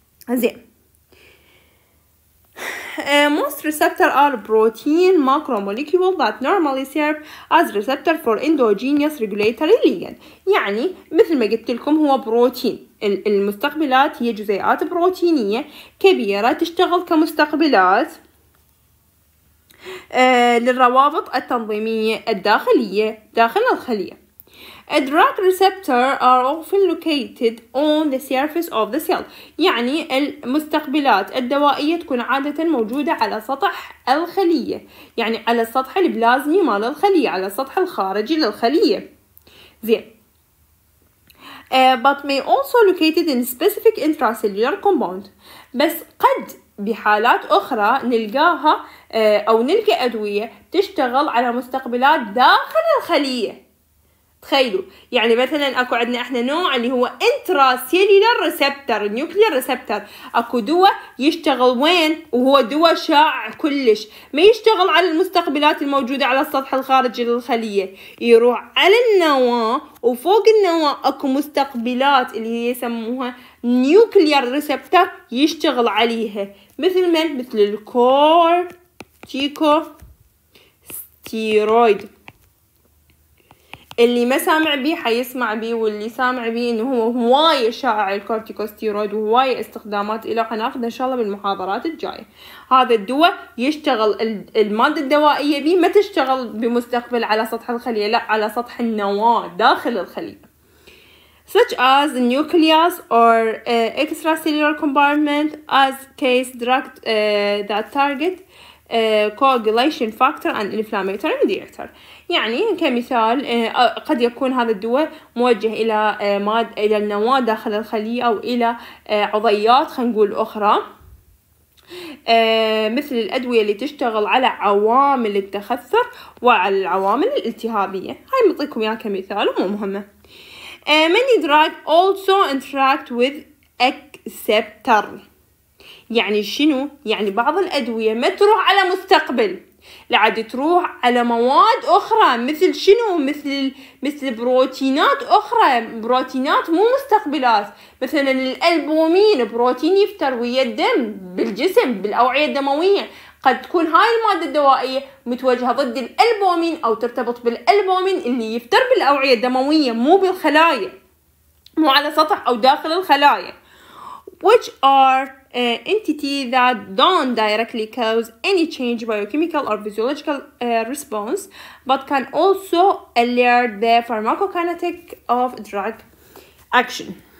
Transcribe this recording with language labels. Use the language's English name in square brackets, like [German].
[Arabic] زين، [English] most receptors are protein macromolecules that normally serve as receptor for endogenous regulatory ligand. [Arabic] يعني مثل ما قلت لكم هو بروتين، المستقبلات هي جزيئات بروتينية كبيرة تشتغل كمستقبلات للروابط التنظيمية الداخلية داخل الخلية. [English] A drug receptor are often located on the surface of the cell. [Arabic] يعني المستقبلات الدوائية تكون عادة موجودة على سطح الخلية، يعني على السطح البلازمي مال الخلية، على السطح الخارجي للخلية. زين، [English] but may also located in specific intracellular compound. [Arabic] بس قد بحالات أخرى نلقاها أو نلقى أدوية تشتغل على مستقبلات داخل الخلية، تخيلوا يعني مثلا اكو عندنا احنا نوع اللي هو [English] intracellular receptor nuclear receptor, [Arabic] اكو دواء يشتغل وين وهو دواء شائع كلش، ما يشتغل على المستقبلات الموجوده على السطح الخارجي للخليه، يروح على النواه وفوق النواه اكو مستقبلات اللي هي يسموها نيوكليير ريسبتر يشتغل عليها، مثل من مثل الكور تيكو ستيرويد. اللي ما سامع بيه حيسمع بيه، واللي سامع بيه انه هو هواي شائع الكورتيكوستيرويد وهواي استخدامات له، حناخذ ان شاء الله بالمحاضرات الجايه. هذا الدواء يشتغل الماده الدوائيه بيه، ما تشتغل بمستقبل على سطح الخليه، لا على سطح النواه داخل الخليه. [English] such as the nucleus or extracellular compartment as case drug that target coagulation factor and inflammatory mediator. [Arabic] يعني كمثال قد يكون هذا الدواء موجه الى الى النواة داخل الخلية او الى عضيات خلينا نقول اخرى، مثل الادوية اللي تشتغل على عوامل التخثر وعلى العوامل الالتهابية. هاي بعطيكم اياها كمثال ومو مهمة. [English] many drug also interact with acceptor. [Arabic] يعني شنو؟ يعني بعض الأدوية ما تروح على مستقبل، لعد تروح على مواد أخرى. مثل شنو؟ مثل بروتينات أخرى، بروتينات مو مستقبلات. مثلاً الألبومين بروتين يفتر ويا الدم بالجسم بالأوعية الدموية، قد تكون هاي المادة الدوائية متوجهة ضد الألبومين أو ترتبط بالألبومين اللي يفتر بالأوعية الدموية مو بالخلايا، مو على سطح أو داخل الخلايا. [English] which are entity that don't directly cause any change biochemical or physiological response but can also alert the pharmacokinetic of drug action.